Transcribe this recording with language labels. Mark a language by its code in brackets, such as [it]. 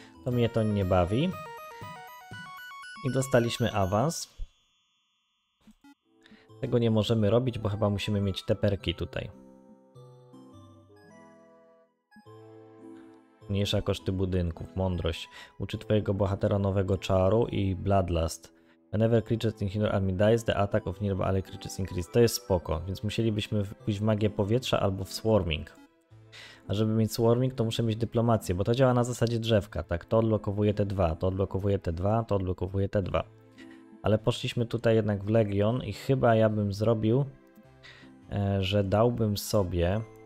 [pl] To mnie to nie bawi. I dostaliśmy awans. Tego nie możemy robić, bo chyba musimy mieć te perki tutaj. Mniejsza koszty budynków, mądrość. Uczy twojego bohatera nowego czaru i Bloodlust. [en] Whenever creatures in your army dies, the attack of nearby ally creatures increase. [pl] To jest spoko, więc musielibyśmy pójść w magię powietrza albo w swarming. A żeby mieć swarming, to muszę mieć dyplomację, bo to działa na zasadzie drzewka, tak? To odblokowuje te dwa, to odblokowuje te dwa, to odblokowuje te dwa. Ale poszliśmy tutaj jednak w Legion i chyba ja bym zrobił, że dałbym sobie...